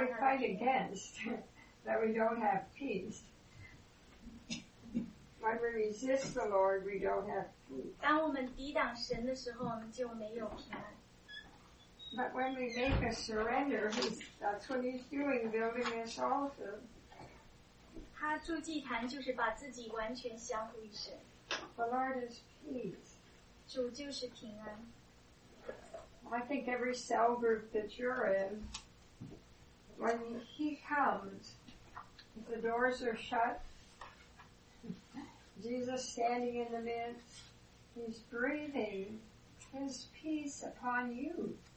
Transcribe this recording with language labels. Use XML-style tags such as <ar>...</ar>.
<en>That's what we fight against, that we don't have peace. When we resist the Lord, we don't have peace.</en> <zh>当我们抵挡神的时候，我们就没有平安。</zh> <en>But when we make a surrender, that's what he's doing, building this altar.</en> <zh>他筑祭坛就是把自己完全降服于神。</zh> <en>The Lord is peace.</en> <zh>主就是平安。</zh> <en>I think every cell group that you're in, when he comes, the doors are shut. Jesus standing in the midst, he's breathing his peace upon you.</en>